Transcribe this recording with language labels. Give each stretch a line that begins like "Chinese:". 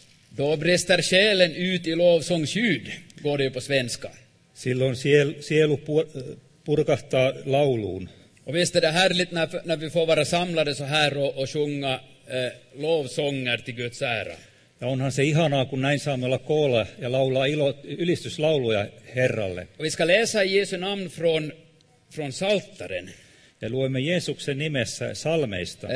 Swedish: Då brister själen ut i lovsångsljud, går det ju på svenska.
Finnish: Silloin sielu purkahtaa lauluun.
Swedish: Och visst är det härligt när vi får vara samlade så här och sjunga lovsånger till Guds ära.
Finnish: Ja onhan se ihanaa, kun näin saamme olla koolla ja laulaa ylistyslauluja Herralle.
Swedish: Och vi ska läsa Jesu namn från Saltaren.
Finnish: Ja luemme Jeesuksen nimessä salmeista.